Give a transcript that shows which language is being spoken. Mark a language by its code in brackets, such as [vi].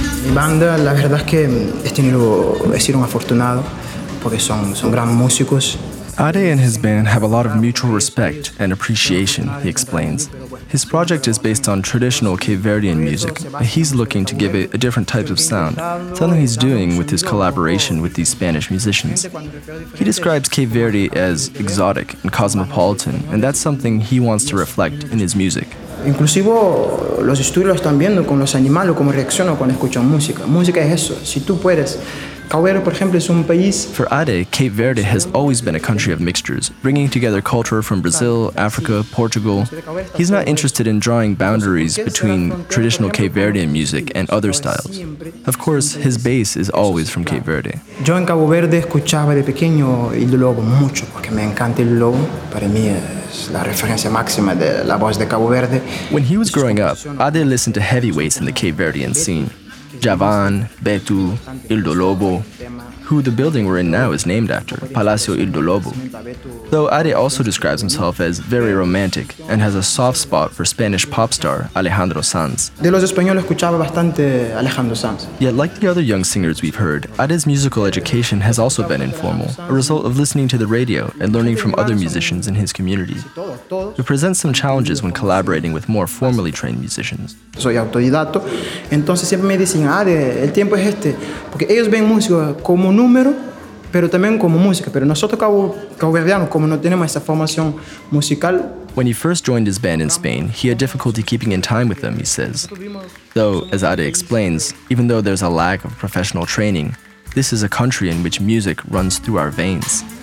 [es] La verdad es que he sido un afortunado porque son gran músicos. [en] Ade and his band have a lot of mutual respect and appreciation, he explains. His project is based on traditional Cape Verdean music, and he's looking to give it a different type of sound, something he's doing with his collaboration with these Spanish musicians. He describes Cape Verde as exotic and cosmopolitan, and that's something he wants to reflect in his music. [es] Inclusive, los estudios están viendo con los animales cómo reaccionan cuando escuchan música. Música es eso. Si tú puedes. [en] For Ade, Cape Verde has always been a country of mixtures, bringing together culture from Brazil, Africa, Portugal. He's not interested in drawing boundaries between traditional Cape Verdean music and other styles. Of course, his base is always from Cape Verde. [es] Yo en Cabo Verde escuchaba de pequeño el lobo mucho, porque me encanta el lobo. Para mí es la referencia máxima de la voz de Cabo Verde. [en] When he was growing up, Ade listened to heavyweights in the Cape Verdean scene. Javan, Betu, Ildo Lobo, who the building we're in now is named after, Palacio Ildo Lobo. Though Ade also describes himself as very romantic and has a soft spot for Spanish pop star Alejandro Sanz. [es] De los españoles escuchaba bastante Alejandro Sanz. [en] Yet like the other young singers we've heard, Ade's musical education has also been informal, a result of listening to the radio and learning from other musicians in his community. It presents some challenges when collaborating with more formally trained musicians. [es] Soy autodidacto, entonces siempre me dicen, Ade, el tiempo es este, porque ellos ven música como número, pero también como música, pero nosotros caboverdianos como no tenemos esa formación musical. [en] When he first joined his band in Spain, he had difficulty keeping in time with them, he says. Though, as Ade explains, even though there's a lack of professional training, this is a country in which music runs through our veins.